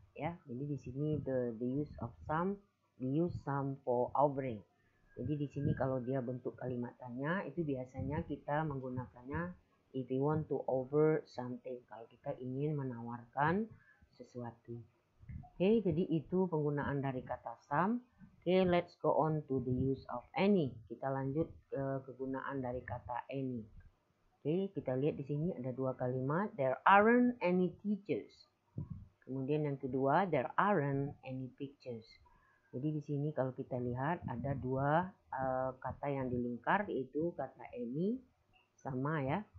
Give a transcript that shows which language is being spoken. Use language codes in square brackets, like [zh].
[id] Ya, jadi di sini [en] the use of some, we use some for offering. [id] Jadi di sini kalau dia bentuk kalimat tanya, itu biasanya kita menggunakannya [en] if we want to offer something. [id] Kalau kita ingin menawarkan sesuatu. Oke, okay, jadi itu penggunaan dari kata some. [en] Okay, let's go on to the use of any. [id] Kita lanjut ke kegunaan dari kata any. Okay, kita lihat di sini ada dua kalimat. [en] There aren't any teachers. [id] Kemudian yang kedua, [en] there aren't any pictures. [id] Jadi di sini kalau kita lihat ada dua kata yang dilingkar, yaitu kata any sama ya.